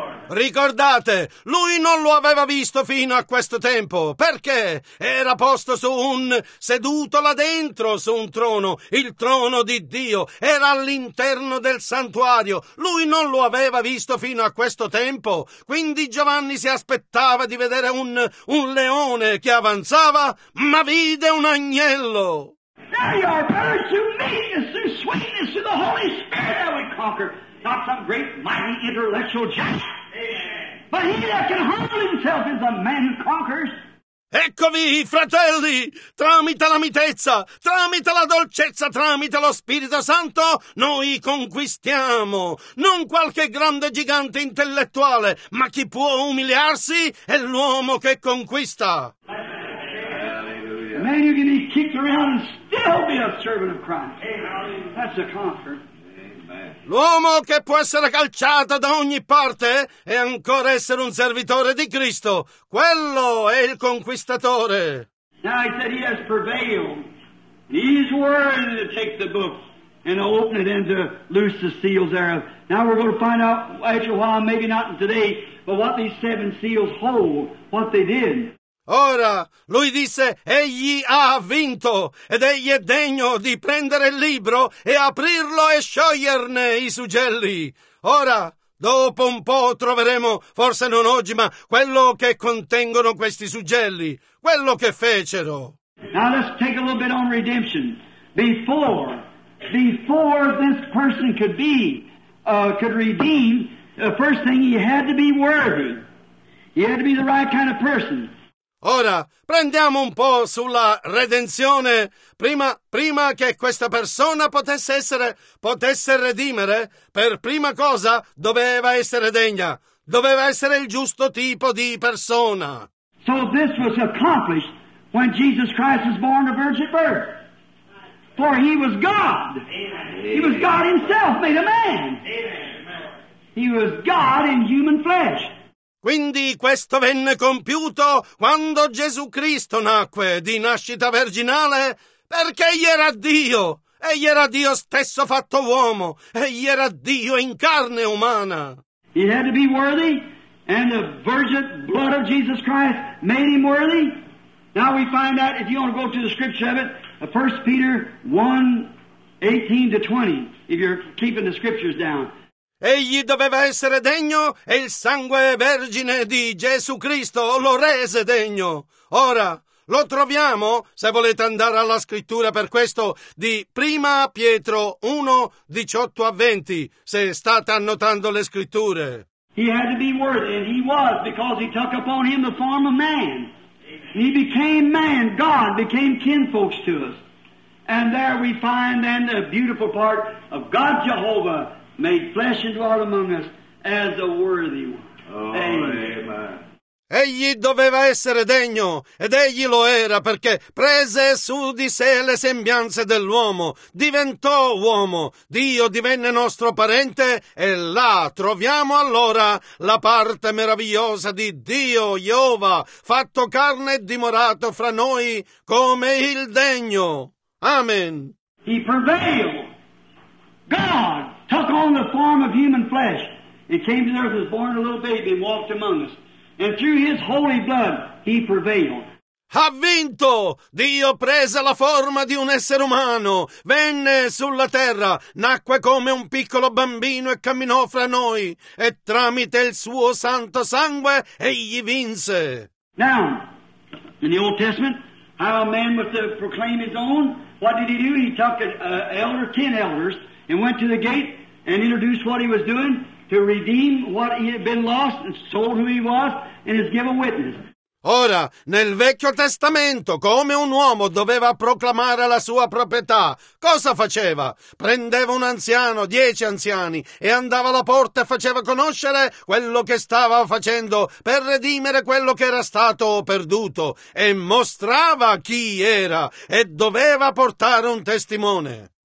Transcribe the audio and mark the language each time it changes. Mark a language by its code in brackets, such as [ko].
[it] Ricordate, lui non lo aveva visto fino a questo tempo, perché era posto su un seduto là dentro su un trono, il trono di Dio, era all'interno del santuario, lui non lo aveva visto fino a questo tempo, quindi Giovanni si aspettava di vedere un leone che avanzava, ma vide un agnello. [en] There you are, brother, through meekness, through sweetness, through the Holy Spirit that we conquer, not some great mighty intellectual giant. But he that can humble himself is a man who conquers. [it] Eccovi, fratelli, tramite la mitezza, tramite la dolcezza, tramite lo Spirito Santo, noi conquistiamo non qualche grande gigante intellettuale, ma chi può umiliarsi è l'uomo che conquista. Alleluia. [en] Man, you can be kicked around and still be a servant of Christ. That's a comfort. [it] L'uomo che può essere calciato da ogni parte e ancora essere un servitore di Cristo, quello è il conquistatore. [en] Now he said he has prevailed. He's worthy to take the book and open it and to loose the seals thereof. Now we're going to find out after a while, maybe not today, but what these seven seals hold, what they did. [it] Ora, lui disse, egli ha vinto, ed egli è degno di prendere il libro e aprirlo e scioglierne i sugelli. Ora, dopo un po' troveremo, forse non oggi, ma quello che contengono questi sugelli, quello che fecero. [en] Now let's take a little bit on redemption. Before this person could redeem, the first thing he had to be worthy. He had to be the right kind of person. [it] Ora, prendiamo un po' sulla redenzione. Prima che questa persona potesse redimere, per prima cosa doveva essere degna, doveva essere il giusto tipo di persona. [en] So this was accomplished when Jesus Christ was born a virgin birth. For he was God. He was God himself made a man. He was God in human flesh. [it] Quindi questo venne compiuto quando Gesù Cristo nacque di nascita virginale, perché egli era Dio, egli era Dio stesso fatto uomo, egli era Dio in carne umana. [en] He had to be worthy, and the virgin blood of Jesus Christ made him worthy. Now we find that, if you want to go to the scripture of it, 1 Peter 1:18-20, if you're keeping the scriptures down. [it] Egli doveva essere degno e il sangue vergine di Gesù Cristo lo rese degno. Ora, lo troviamo, se volete andare alla scrittura per questo, di 1 Pietro 1:18-20, se state annotando le scritture. [en] He had to be worthy, and he was, because he took upon him the form of man. He became man, God became kinfolks to us. And there we find then the beautiful part of God Jehovah, made flesh and dwelt among us as a worthy one. Oh, amen. [it] Egli doveva essere degno, ed egli lo era, perché prese su di sé le sembianze dell'uomo, diventò uomo, Dio divenne nostro parente, e là troviamo allora la parte meravigliosa di Dio, Jehovah, fatto carne e dimorato fra noi come il degno. Amen. [en] He prevailed. God took on the form of human flesh and came to the earth, was born a little baby and walked among us. And through his holy blood, he prevailed. [it] Ha vinto! Dio prese la forma di un essere umano, venne sulla terra, nacque come un piccolo bambino e camminò fra noi. E tramite il suo santo sangue, egli vinse. [en] Now, in the Old Testament, how a man was to proclaim his own, what did he do? He took ten elders, and went to the gate and introduced what he was doing to redeem what he had been lost and sold who he was and has given witness. [it] Ora, nel Vecchio Testamento, come un uomo doveva proclamare la sua proprietà, cosa faceva? Prendeva un anziano, 10 anziani, e andava alla porta e faceva conoscere quello che stava facendo per redimere quello che era stato perduto, e mostrava chi era, e doveva portare un testimone.